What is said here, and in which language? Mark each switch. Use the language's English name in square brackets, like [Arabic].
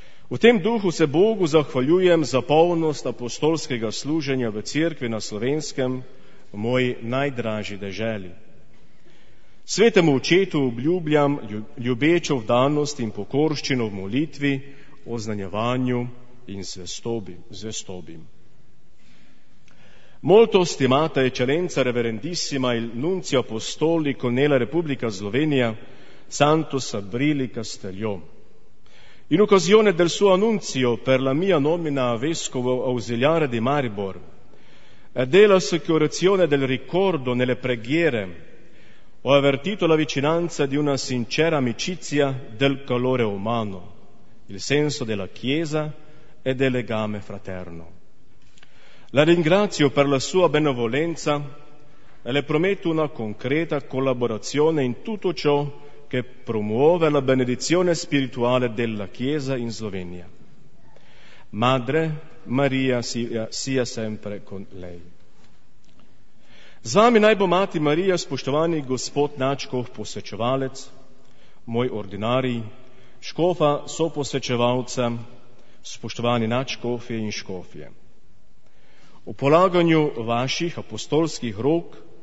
[Slovenian] V tem duhu se Bogu zahvaljujem za polnost apostolskega služenja v cerkvi na Slovenskem, v moji najdražji deželi. Svetemu očetu obljubljam ljubečo vdanost in pokorščino v molitvi, oznanjevanju in zvestobi. [Italian] Moltos timata eccellenza reverendissima il nunzio apostolico nella Repubblica Slovenia, Santo Sabrili Castellio. In occasione del suo annunzio per la mia nomina a vescovo ausiliare di Maribor, e della assicurazione del ricordo nelle preghiere, ho avvertito la vicinanza di una sincera amicizia del calore umano, il senso della Chiesa e del legame fraterno. La ringrazio per la sua benevolenza e le prometto una concreta collaborazione in tutto ciò che promuove la benedizione spirituale della Chiesa in Slovenia. Madre Maria sia sempre con lei. [Slovenian] Z vami naj bo Mati Marija, spoštovani gospod nadškof posvečevalec, moj ordinarij, škofa soposvečevalca, spoštovani nadškofje in škofje. V polaganju vaših apostolskih rok